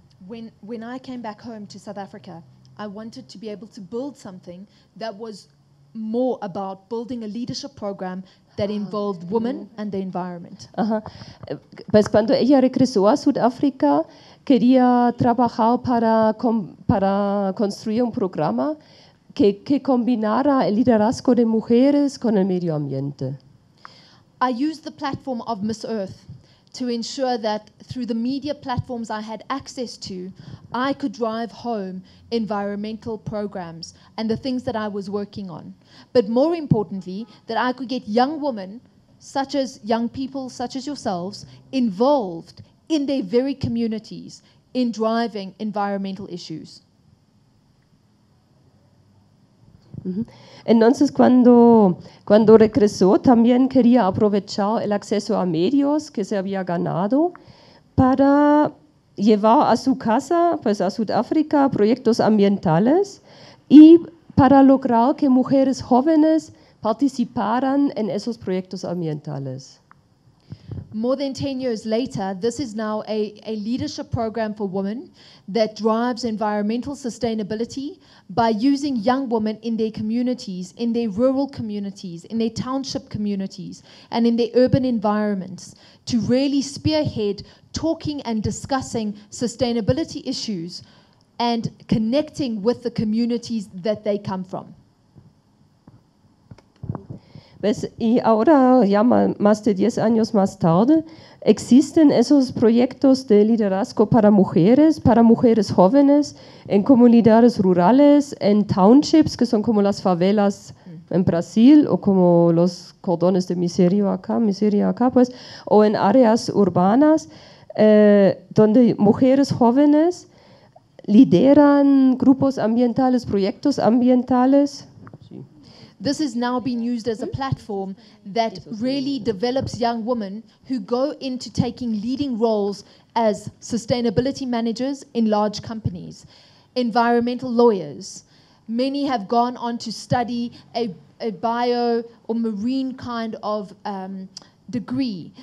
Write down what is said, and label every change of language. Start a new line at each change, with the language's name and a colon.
English: When I came back home to South Africa, I wanted to be able to build something that was more about building a leadership program that involved women and the environment. Ajá.
Spanish: Pues cuando ella regresó a Sudáfrica, quería trabajar para construir un programa que combinara el liderazgo de mujeres con el medio ambiente.
English: I used the platform of Miss Earth to ensure that through the media platforms I had access to, I could drive home environmental programs and the things that I was working on. But more importantly, that I could get young women, such as young people, such as yourselves, involved in their very communities in driving environmental issues.
Spanish: Entonces, cuando regresó, también quería aprovechar el acceso a medios que se había ganado para llevar a su casa, pues a Sudáfrica, proyectos ambientales y para lograr que mujeres jóvenes participaran en esos proyectos ambientales.
English: More than 10 years later, this is now a leadership program for women that drives environmental sustainability by using young women in their communities, in their rural communities, in their township communities, and in their urban environments to really spearhead talking and discussing sustainability issues and connecting with the communities that they come from.
Spanish: Pues, y ahora, ya más de 10 años más tarde, existen esos proyectos de liderazgo para mujeres jóvenes, en comunidades rurales, en townships, que son como las favelas en Brasil, o como los cordones de miseria acá, pues, o en áreas urbanas, donde mujeres jóvenes lideran grupos ambientales, proyectos ambientales.
English: This is now being used as a platform that really develops young women who go into taking leading roles as sustainability managers in large companies, environmental lawyers. Many have gone on to study a bio or marine kind of degree.